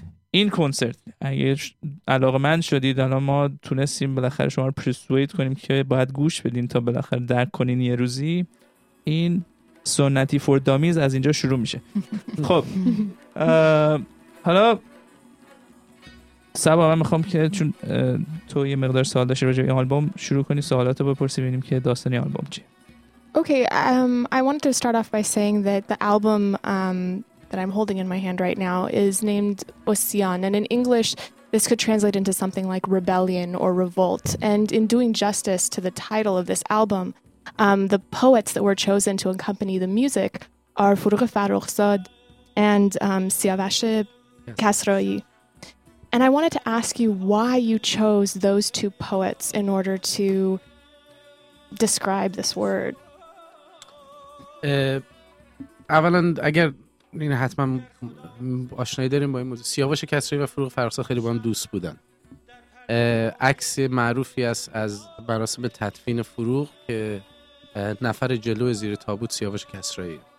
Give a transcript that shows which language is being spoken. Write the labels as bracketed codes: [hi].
[fa] این کنسرت اگر علاقمند شدید، الان ما تونستیم بالاخره شما رو پرسوید کنیم که باید گوش بدین تا بالاخره درک کنین یه روزی. این سنتی فور دامیز از اینجا شروع میشه. خب حالا سبا من میخوام که چون تو یه مقدار سوال داشته راجع به این آلبوم، شروع کنی سوالات رو بپرسی ببینیم که داستان این آلبوم چیه. [en] Okay, I wanted to start off by saying that the album that I'm holding in my hand right now is named Ocean, and in English, this could translate into something like rebellion or revolt. And in doing justice to the title of this album, the poets that were chosen to accompany the music are Furugh Farrokhzad and Siavash Kasroi. And I wanted to ask you why you chose those two poets in order to describe this word. [fa] اولا اگر این حتما آشنایی داریم با این موضوع، سیاوش کسروی و فروغ فرخزاد خیلی با هم دوست بودن. عکس معروفی است از مراسم تدفین فروغ که نفر جلو زیر تابوت سیاوش کسروی.